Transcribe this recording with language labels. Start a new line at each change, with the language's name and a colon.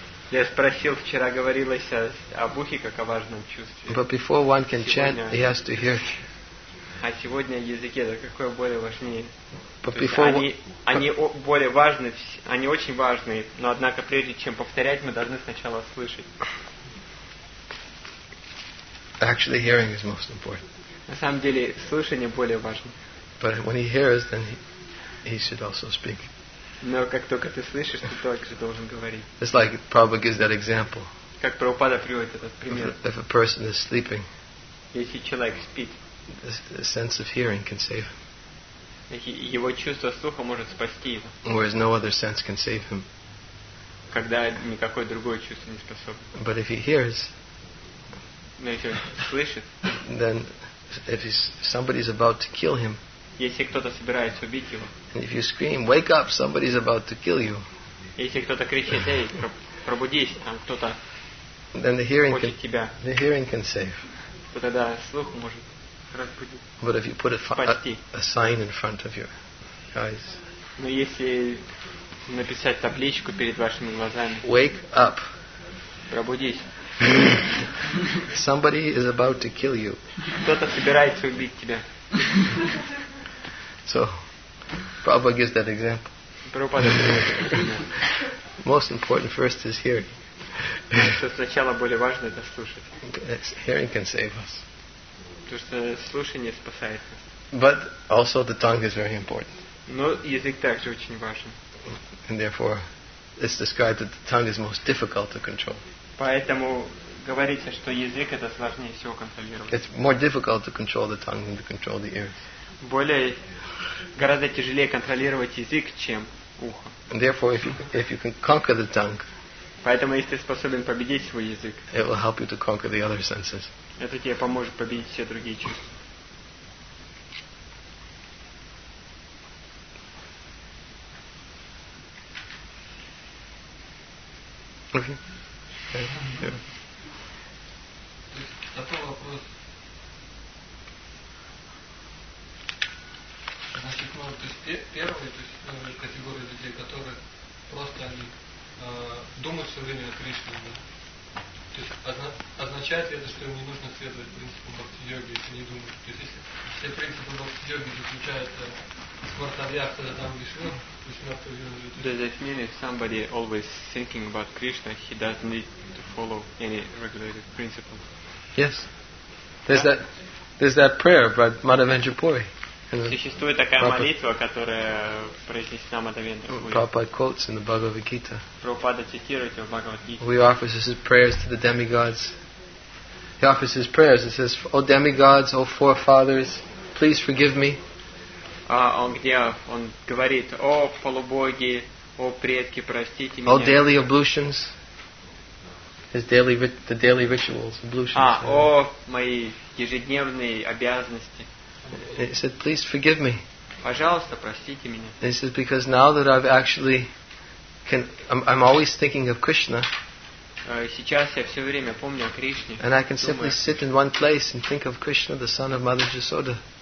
Russian: Я спросил вчера, говорилось о бухе, как о важном чувстве.
English: But before one can chant, he has to hear.
Russian: А сегодня языке, да, какое более важнее?
English: But before
Russian: они более важны, они очень важны, но однако прежде чем повторять, мы должны сначала слышать.
English: Actually, hearing is most important.
Russian: На самом деле, слышание более важно.
English: But when he hears, then he should also speak.
Russian: Но как только ты слышишь, ты также должен говорить.
English: It's like Prabhupada gives that example.
Russian: Как Прабхупада приводит этот пример.
English: If a person is sleeping,
Russian: если человек спит,
English: the sense of hearing can save him.
Russian: Его чувство слуха может спасти его.
English: Whereas no other sense can save him.
Russian: Когда никакое другое чувство не способно.
English: But if he hears,
Russian: но если он слышит,
English: then if somebody's about to kill him,
Russian: если кто-то собирается убить его,
English: and if you scream, wake up, somebody's about to kill you,
Russian: если кто-то кричит, эй, пробудись, там кто-то,
English: then the hearing can,
Russian: тебя,
English: the hearing can save.
Russian: То тогда слух может разбудить.
English: But if you put a sign in front of your eyes,
Russian: но если написать табличку перед вашими глазами,
English: wake up,
Russian: пробудись.
English: Somebody is about to kill you.
Russian: Кто-то собирается убить тебя.
English: So, Prabhupada gives that example.
Russian: Прабхупада дает этот пример.
English: Most important first is hearing.
Russian: Сначала более важно это слушать.
English: Hearing can save us.
Russian: Потому что слушание спасает нас.
English: But also the tongue is very important.
Russian: Но язык также очень важен.
English: And therefore, it's described that the tongue is most difficult to control.
Russian: Поэтому говорится, что язык это сложнее всего контролировать.
English: It's more difficult to control the tongue than to control the ears.
Russian: Более гораздо тяжелее контролировать язык, чем ухо.
English: And therefore, if you can conquer the tongue,
Russian: поэтому если ты способен победить свой язык,
English: it will help you to conquer the other senses.
Russian: Это тебе поможет победить все другие чувства. Такой вопрос. Значит, ну, то есть первая, то есть категория людей, которые просто они думают все время о Кришне, да? То есть означает ли это, что им не нужно следовать принципам бхакти-йоги, если не думают? То есть если принципы бхакти-йоги заключаются
English: Does that mean if somebody always thinking about Krishna, he doesn't need to follow any regulated principles? Yes. There's that prayer by Madhavendra Puri.
Russian: Существует такая молитва, которая произнесена Мадхавендра Пури.
English: Prabhupada quotes in the Bhagavad Gita.
Russian: Прабхупада цитирует в Бхагавад Гите.
English: He offers his prayers to the demigods. He offers his prayers. It says, "O demigods, O forefathers, please forgive me."
Russian: Он говорит, о полубоги, о предки, простите меня.
English: All daily ablutions. The daily rituals, ablutions.
Russian: О мои ежедневные обязанности.
English: He said, please forgive me.
Russian: Пожалуйста, простите меня.
English: He said, because now that I've actually, I'm always thinking of Krishna.
Russian: Сейчас я все время помню о Кришне.
English: And I can simply sit in one place and think of Krishna, the son of Mother Yasoda.